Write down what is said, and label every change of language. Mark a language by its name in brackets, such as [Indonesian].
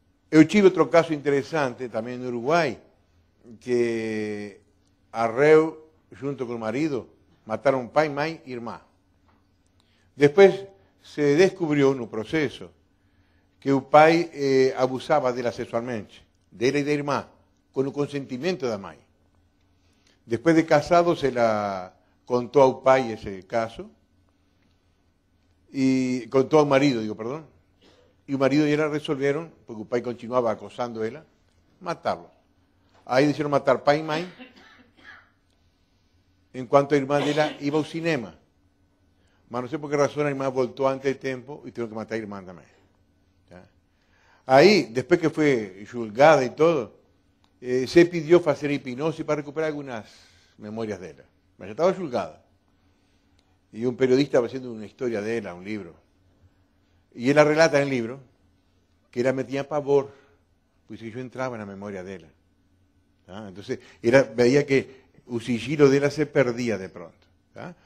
[Spanish] Yo tive otro caso interesante también en Uruguay, que arreo junto con el marido, mataron [Portuguese] pai, mãe e irmã. Depois se descobriu no processo que o pai abusava dela sexualmente, dela e da irmã, com o consentimento da mãe. Depois de casado, [Spanish] se la [Portuguese] contou ao pai esse caso, e contou ao marido, digo, perdão, e o marido e ela resolveram, porque o pai continuava acosando ela, matá-lo. Aí disseram matar pai e mãe, [Spanish] en cuanto [Portuguese] a irmã dela [Spanish] iba [Portuguese] ao cinema. Mas não sei por que razão a irmã voltou antes de tempo e teve que matar a irmã também. ¿Ya? Aí, depois que foi julgada e todo, se pediu fazer hipnose para recuperar algumas memórias dela. [Spanish] Ya estaba juzgada. Y un periodista va haciendo una historia de ella, un libro. Y ella relata en el libro que ella me tenía pavor, pues que yo entraba en la memoria de ella. ¿Ah? Entonces, era, veía que un sigilo de ella se perdía de pronto. ¿Ah?